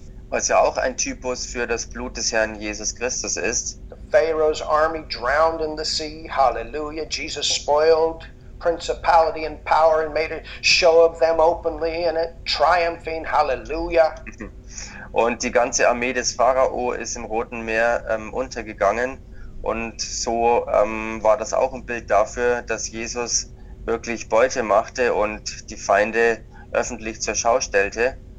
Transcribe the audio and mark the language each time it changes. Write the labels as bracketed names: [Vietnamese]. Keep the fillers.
[German] was ja auch ein Typus für das Blut des Herrn Jesus Christus ist. [English] The Pharaoh's army drowned in the sea. Hallelujah. Jesus spoiled principality and power and made a show of them openly and triumphing. Hallelujah. [German] Und die ganze Armee des Pharao ist im Roten Meer ähm, untergegangen. Und so ähm, war das auch ein Bild dafür, dass Jesus wirklich Beute machte und die Feinde öffentlich zur Schau stellte.